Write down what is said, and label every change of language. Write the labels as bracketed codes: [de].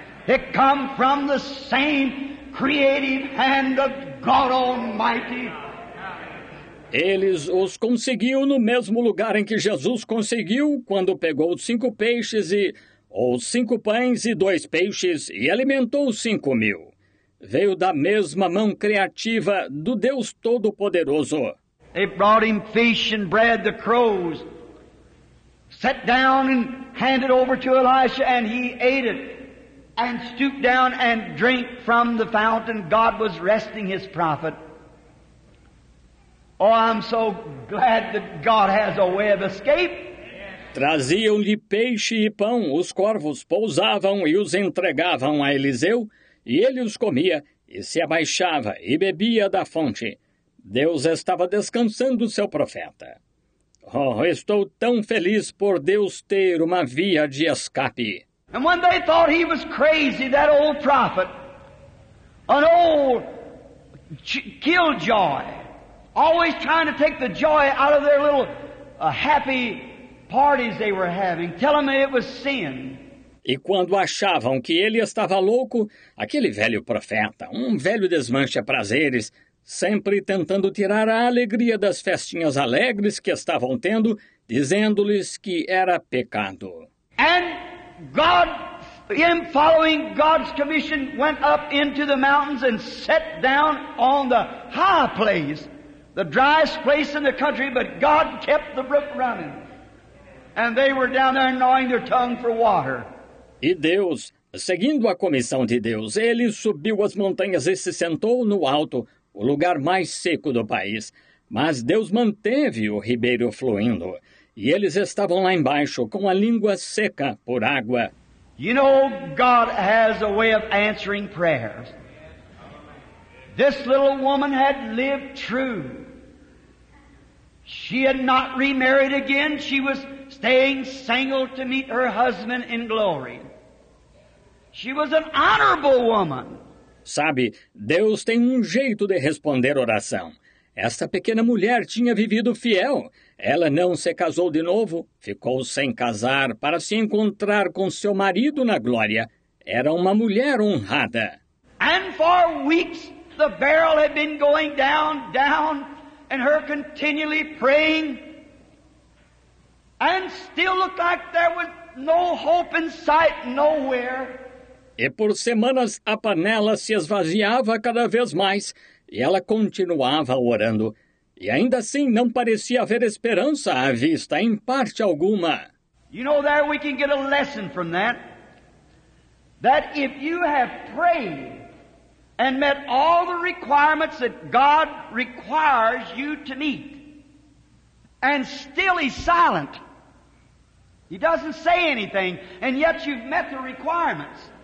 [en] It come from the same creative hand of God Almighty. [pt] Eles os conseguiu no mesmo lugar em que Jesus conseguiu quando pegou cinco peixes e ou cinco pães e dois peixes e alimentou 5,000. Veio da mesma mão criativa do Deus Todo-Poderoso. [en] They brought him fish and bread, the crows. Sat down and handed over to Elisha and he ate it. And stooped down and drank from the fountain. God was resting his prophet. Oh, I'm so glad that God has a way of escape. [pt] Traziam-lhe peixe e pão. Os corvos pousavam e os entregavam a Eliseu. E ele os comia e se abaixava e bebia da fonte. Deus estava descansando seu profeta. Oh, estou tão feliz por Deus ter uma via de escape. [en] And when they thought he was crazy, that old prophet, an old killjoy, always trying to take the joy out of their little happy parties they were having, telling them it was sin. [pt] E quando achavam que ele estava louco, aquele velho profeta, um velho desmancha-prazeres, sempre tentando tirar a alegria das festinhas alegres que estavam tendo, dizendo-lhes que era pecado. [en] And God, in following God's commission, went up into the mountains and sat down on the high place, the driest place in the country, but God kept the brook running. And they were down there gnawing their tongue for water. [pt] E Deus, seguindo a comissão de Deus, ele subiu as montanhas e se sentou no alto, o lugar mais seco do país. Mas Deus manteve o ribeiro fluindo, e eles estavam lá embaixo com a língua seca por água. [en] You know, God has a way of answering prayers. This little woman had lived true. She had not remarried again. She was staying single to meet her husband in glory. She was an honorable woman. [pt] Sabe, Deus tem um jeito de responder oração. Esta pequena mulher tinha vivido fiel. Ela não se casou de novo, ficou sem casar para se encontrar com seu marido na glória. Era uma mulher honrada. [en] And for weeks the barrel had been going down, down, and her continually praying. And still looked like there was no hope in sight nowhere. [pt] E por semanas a panela se esvaziava cada vez mais, e ela continuava orando. E ainda assim não parecia haver esperança à vista, em parte alguma. [en] You know, there we can get a lesson from that. That if you have prayed and met all the requirements that God requires you to meet, and still he's silent, he doesn't say anything, and yet you've met the requirements.